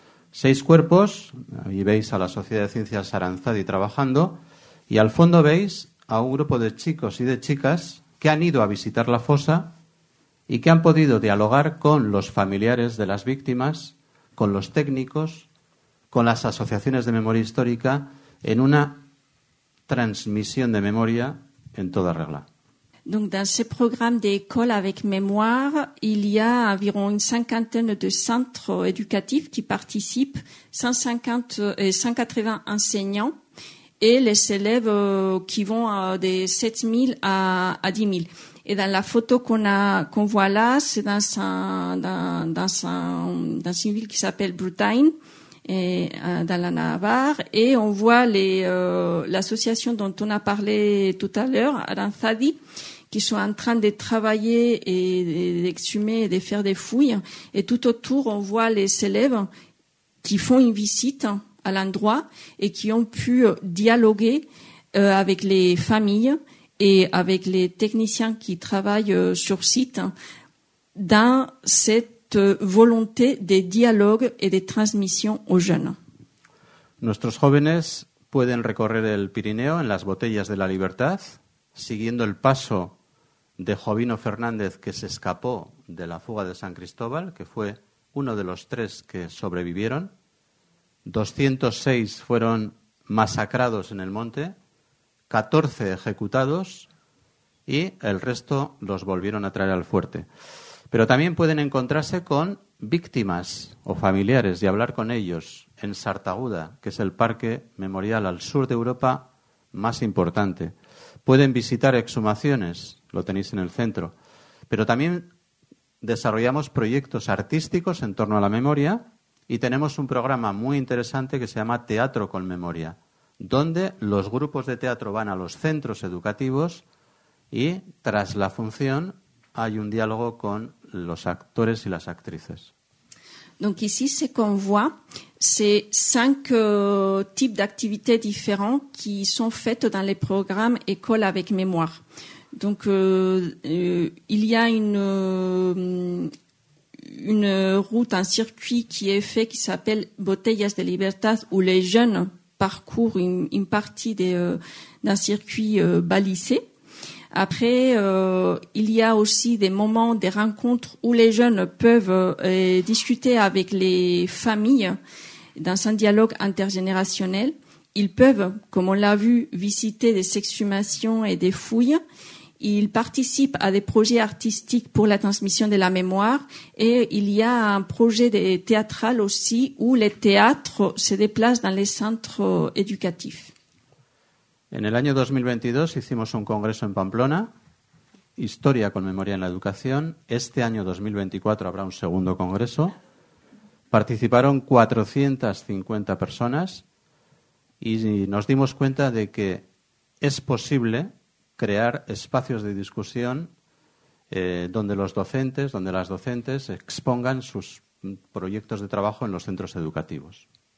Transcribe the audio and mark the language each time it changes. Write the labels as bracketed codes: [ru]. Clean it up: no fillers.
[es] 6 cuerpos, ahí veis a la Sociedad de Ciencias Aranzadi trabajando, y al fondo veis a un grupo de chicos y de chicas que han ido a visitar la fosa y que han podido dialogar con los familiares de las víctimas, con los técnicos, con las asociaciones de memoria histórica, en una transmisión de memoria en toda regla. [fr] Donc dans ce programme d'école avec mémoire, il y a environ une cinquantaine de centres éducatifs qui participent, 180 enseignants et les élèves qui vont de 7000 à 10000. Et dans la photo qu'on voit là, c'est dans une ville qui s'appelle Brutain, et dans la Navarre, et on voit l'association dont on a parlé tout à l'heure, Aranzadi, qui sont en train de travailler et d'exhumer et de faire des fouilles. Et tout autour, on voit les élèves qui font une visite à l'endroit et qui ont pu dialoguer avec les familles et avec les techniciens qui travaillent sur site dans cette volonté de dialogue et de transmission aux jeunes. [es] Nuestros jóvenes pueden recorrer el Pirineo en las botellas de la libertad, siguiendo el paso de Jovino Fernández, que se escapó de la fuga de San Cristóbal, que fue uno de los 3 que sobrevivieron. 206 fueron masacrados en el monte, 14 ejecutados y el resto los volvieron a traer al fuerte. Pero también pueden encontrarse con víctimas o familiares y hablar con ellos en Sartaguda, que es el parque memorial al sur de Europa más importante. Pueden visitar exhumaciones, lo tenéis en el centro. Pero también desarrollamos proyectos artísticos en torno a la memoria y tenemos un programa muy interesante que se llama Teatro con Memoria, donde los grupos de teatro van a los centros educativos y tras la función hay un diálogo con los actores y las actrices. [fr] Donc ici, ce qu'on voit, c'est 5 types d'activités différents qui sont faites dans les programmes École avec mémoire. Donc il y a une route, un circuit qui est fait qui s'appelle Botellas de Libertad, où les jeunes parcourent une partie d'un circuit balisé. Après, il y a aussi des moments, des rencontres où les jeunes peuvent discuter avec les familles dans un dialogue intergénérationnel. Ils peuvent, comme on l'a vu, visiter des exhumations et des fouilles. Ils participent à des projets artistiques pour la transmission de la mémoire. Et il y a un projet théâtral aussi où les théâtres se déplacent dans les centres éducatifs. [es] En el año 2022 hicimos un congreso en Pamplona, Historia con Memoria en la Educación. Este año 2024 habrá un segundo congreso. Participaron 450 personas y nos dimos cuenta de que es posible crear espacios de discusión donde los docentes, donde las docentes expongan sus proyectos de trabajo en los centros educativos.